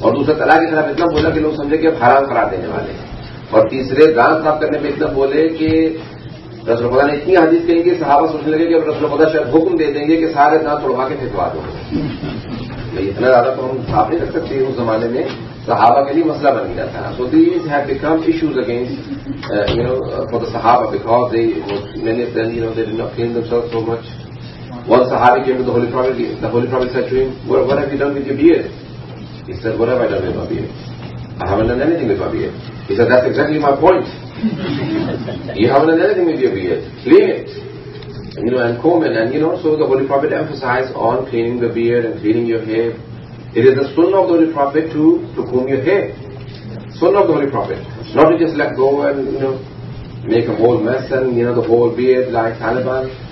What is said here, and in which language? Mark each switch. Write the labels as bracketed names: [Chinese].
[Urdu] اور دوسرے طلاق کے خلاف اتنا بولا کہ لوگ سمجھے کہ اب حرام قرار دینے والے, اور تیسرے دانت صاف کرنے پہ اتنا بولے کہ رسول خدا نے اتنی حدیث کہی کہ صحابہ سوچنے لگے کہ اب رسول خدا شاید حکم دے دیں گے کہ سارے دانت توڑوا کے پھینکوا دو. اتنا زیادہ تو ہم صاف نہیں رکھ سکتے اس زمانے میں, صحابہ کے لیے مسئلہ بن گیا تھا. [English] So these have become issues against صحابہ because they many of them you know they do not clean themselves so much. One صحابی came to the Holy Prophet said to him, what have you done with your beard? He said, what have I done with my beard? I have not done anything with my beard. He said, that's exactly my point, you have not done anything with your beard, clean it. And, you know, and comb it, and you know, so the Holy Prophet emphasized on cleaning the beard and cleaning your hair. It is the sunnah of the Holy Prophet to comb your hair. Sunnah of the Holy Prophet. Not to just let go and, you know, make a whole mess and, you know, the whole beard like Taliban.